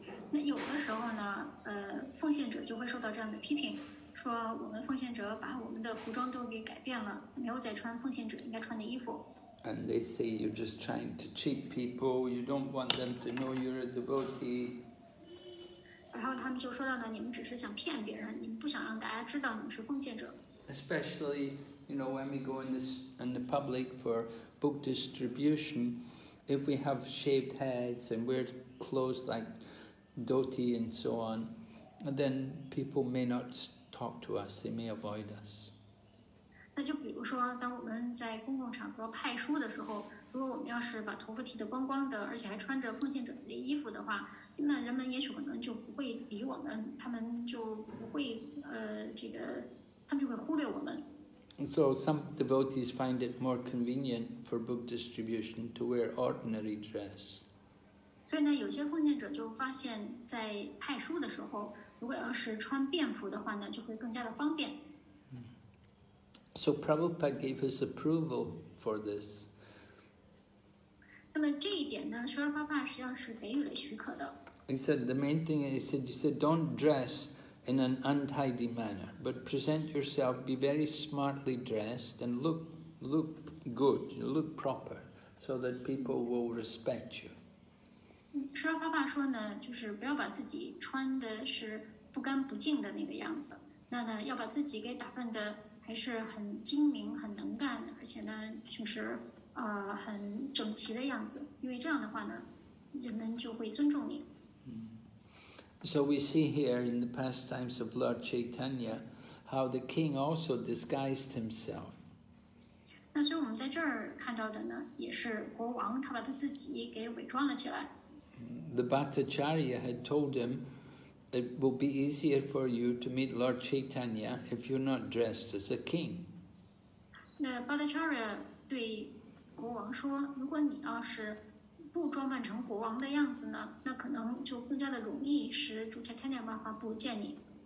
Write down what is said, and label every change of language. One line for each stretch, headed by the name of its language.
Chinese: 那有的时候呢，奉献者就会受到这样的批评，说我们奉献者把我们的服装都给改变了，没有再穿奉献者应该穿的衣服。
English: And they say you're just trying to cheat people. You don't want them to know you're a devotee.
Chinese: 然后他们就说到呢，你们只是想骗别人，你们不想让大家知道你们是奉献者。
English: Especially, you know, when we go in the public for book distribution, if we have shaved heads and wear clothes like. Dhoti and so on, and then people may not talk to us, they may avoid us.
Chinese: 那就比如说当我们在公共场合派书的时候，如果我们要是把头发剃得光光的，而且还穿着奉献者的衣服的话，那人们也许可能就不会理我们，他们就不会这个，他们就会忽略我们。
English: And so some devotees find it more convenient for book distribution to wear ordinary dress.
Chinese: 所以呢，有些奉献者就发现，在派书的时候，如果要是穿便服的话呢，就会更加的方便。
English: So Prabhupada gave his approval for this.
Chinese: 那么这一点呢，舍尔巴巴实际上是给予了许可的。
English: He said the main thing is that you said don't dress in an untidy manner, but present yourself, be very smartly dressed, and look good, look proper, so that people will respect you.
Chinese: 舍尔巴巴说呢，就是不要把自己穿的是不干不净的那个样子，那呢要把自己给打扮的还是很精明、很能干，而且呢就是很整齐的样子，因为这样的话呢，人们就会尊重你。
English: So we see here in the pastimes of Lord Chaitanya how the king also disguised himself.
Chinese: 那所以我们在这儿看到的呢，也是国王他把他自己给伪装了起来。
English: The Bhattacharya had told him, it will be easier for you to meet Lord Chaitanya if you're not dressed as a king.
Chinese: The Bhattacharya 对国王说，如果你要是不装扮成国王的样子呢，那可能就更加的容易使主 Chaitanya Mahaprabhu 见你。